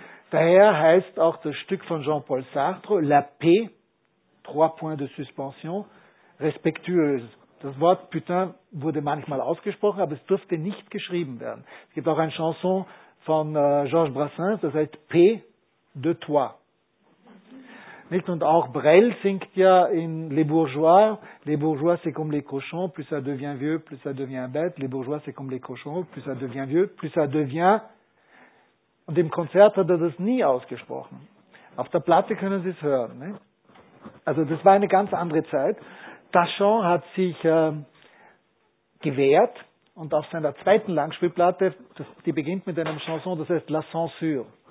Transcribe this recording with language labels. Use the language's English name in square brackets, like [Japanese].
[German] Daher heißt auch das Stück von Jean-Paul Sartre La Paix, [French] trois points de suspension, [German] respectueuse. Das Wort Putain wurde manchmal ausgesprochen, aber es durfte nicht geschrieben werden. Es gibt auch ein Chanson von Georges Brassens, das heißt Paix de toi. Nicht? Und auch Brel singt ja in Les Bourgeois, [French] c'est comme les cochons, plus ça devient vieux, plus ça devient bête. Les Bourgeois, c'est comme les cochons, plus ça devient vieux, plus ça devient. [German] Und im Konzert hat er das nie ausgesprochen. Auf der Platte können Sie es hören. Ne? Also das war eine ganz andere Zeit. Tachant hat sich gewehrt, und auf seiner zweiten Langspielplatte, die beginnt mit einem Chanson, das heißt La Censure.